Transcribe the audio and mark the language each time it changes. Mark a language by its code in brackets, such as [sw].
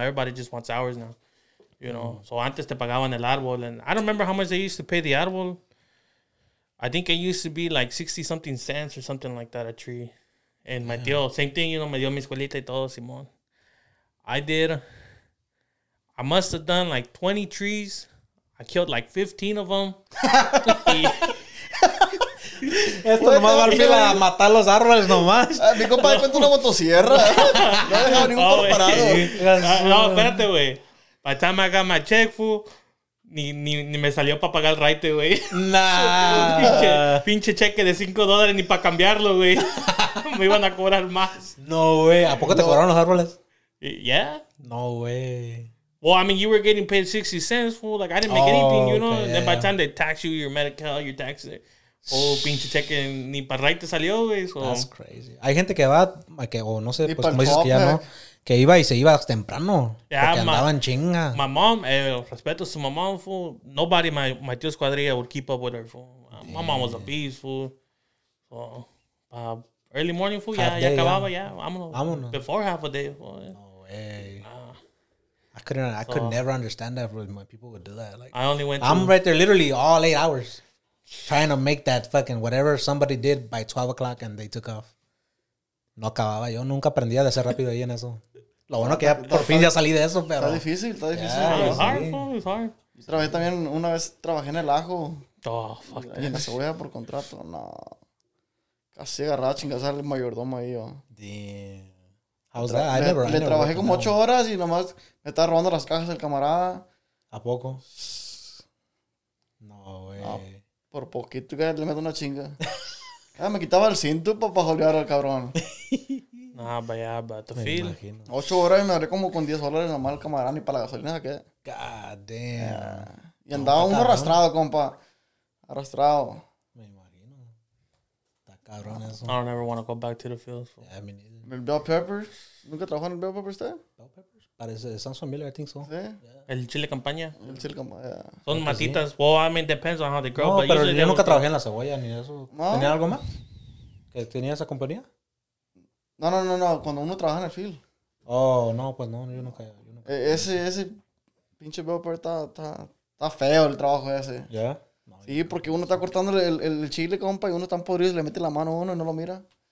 [en] Everybody just wants hours now, you know. So [es] antes te pagaban el árbol, [en] and I don't remember how much they used to pay the árbol. I think it used to be like 60 something cents or something like that a tree. And my tío, same thing, you know, [es] me dio mi escuelita y todo, Simón. [en] I must have done like 20 trees. I killed like 15 of them. [es] Esto nomás va a ser a matar los árboles nomás. Mi compa de cuenta una motosierra. No he dejado ningún toro parado. No, espérate, güey. [en] By the time I got my check, fool, [es] ni me salió para pagar el raite, güey. [en] Nah. [es] pinche cheque de $5 ni para cambiarlo, güey. Me iban a cobrar más. No, güey. ¿A poco te cobraron los árboles? [en] Yeah. [es] No, güey. [en] Well, I mean, you were getting paid 60 cents, fool. Like, I didn't make anything, you know? Okay, then by the time they tax you, your Medi-Cal, your taxes, oh, [es] pinche cheque, ni para right te salió, güey. [en] So. That's crazy. [es] Hay gente que va, que, o no sé, pues como dices que ya no, que iba y se iba temprano. Yeah, porque andaban chinga. My mom, respeto a su mamá, fool. [en] Nobody, my tío's cuadrilla, would keep up with her, fool. My mom was a beast, fool. So, early morning, fool, [es] ya acababa, ya. Vámonos. [en] Before half a day, fool. No way. I could never understand that when people would do that. Like, I only went. I'm right there, literally all 8 hours, trying to make that fucking whatever somebody did by 12 o'clock, and they took off. [es] No acababa. Yo nunca aprendí a hacer rápido ahí en eso. Lo bueno que ya por fin ya salí de eso, pero. Está difícil, está difícil. Yeah, it's hard. It's hard. Yo trabajé también una vez, trabajé en el ajo. [en] Oh fuck. [es] Y en la cebolla por contrato. No. Casi agarraba chingas al mayordomo ahí. Yo. [en] Damn. How's that? I never [es] trabajé como 8 horas y nomás me estaba robando las cajas el camarada. ¿A poco? No, güey. No, por poquito que le meto una chinga. Me quitaba el cinto para jolear al cabrón. [en] Nah, vaya, but the feel. Imagino. [es] 8 horas y me agarré como con $10 nomás el camarada ni para la gasolina. ¿Qué? [en] God damn. Yeah. [es] Y andaba uno arrastrado, compa. Arrastrado. Me imagino. Está cabrón eso. [en] I don't ever want to go back to the field. So. Yeah, I mean, [es] el bell peppers. ¿Nunca trabajó en el bell peppers? [en] Bell peppers. Parece, sounds familiar, I think so. [es] ¿Sí? Yeah. El chile campaña. El chile campaña. Son matitas. Sí. [en] Well, I mean, depends on how they grow. [es] No, [en] but [es] pero yo nunca trabajé en la cebolla ni eso. No. ¿Tenía algo más? ¿Que tenía esa compañía? No. Cuando uno trabaja en el field. Oh, no, pues no. Yo nunca. Ese pinche bell pepper está feo el trabajo ese. ¿Ya? Yeah. No, sí, porque uno está cortando el chile, compa, y uno está podrido y le mete la mano a uno y no lo mira.